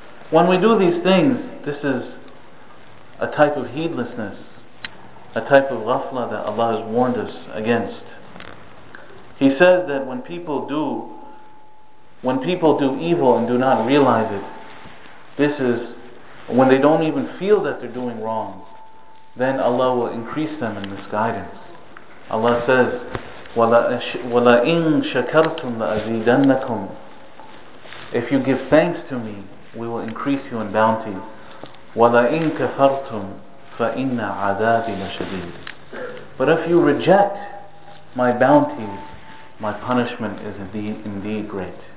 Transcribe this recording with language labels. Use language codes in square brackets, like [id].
[en] When we do these things, this is a type of heedlessness, a type of ghafla that Allah has warned us against. He says that when people do evil and do not realize it, this is when they don't even feel that they're doing wrong, then Allah will increase them in misguidance. Allah says, [ar] وَلَئِن شَكَرْتُمْ لَأَزِيدَنَّكُمْ. [en] If you give thanks to me, we will increase you in bounty. [ar] وَلَئِن كَفَرْتُمْ فَإِنَّ عَذَابِي لَشَدِيدٌ. [en] But if you reject my bounty, my punishment is indeed great.